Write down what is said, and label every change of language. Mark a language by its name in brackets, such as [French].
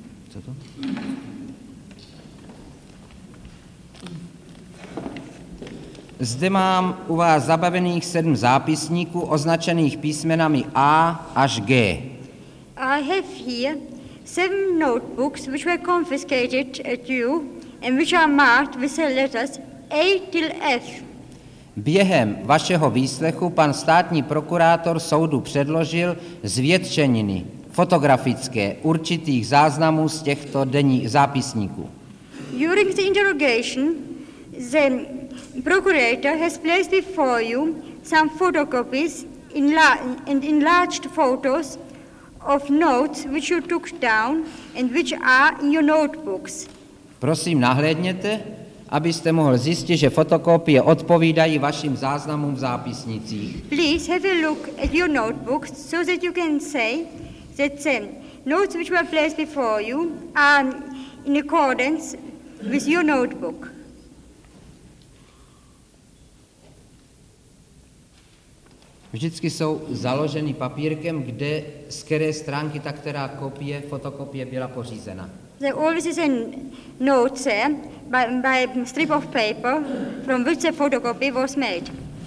[Czech] Co to? Zde mám u vás zabavených sedm zápisníků, označených písmenami A až G. [English] I have here seven notebooks which were confiscated at you and which are marked with the letters A till F. [Czech] Během vašeho výslechu pan státní prokurátor soudu předložil zvětšeniny fotografické určitých záznamů z těchto denních zápisníků. [English] During the interrogation, the procurator has placed before you some photocopies and enlarged photos of notes which you took down and which are in your notebooks. [Czech] Prosím, nahlédněte, abyste mohl zjistit, že fotokopie odpovídají vašim záznamům v zápisnicích. [English] Please have a look at your notebooks so that you can say that the notes which were placed before you are in accordance with your notebook. [Czech] Vždycky jsou založeny papírkem, kde z které stránky ta která kopie, fotokopie byla pořízena. [English] There always is a note there by strip of paper from which the photocopy was made.